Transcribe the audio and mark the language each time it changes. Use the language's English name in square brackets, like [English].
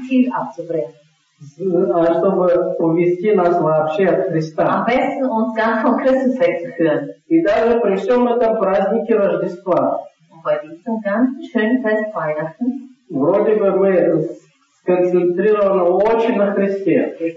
[Russian] А чтобы увести нас вообще от Христа. [German] Am besten uns ganz von Christus wegzuführen. [Russian] И даже при всем этом празднике Рождества. Вроде бы мы сконцентрированы очень на Христе.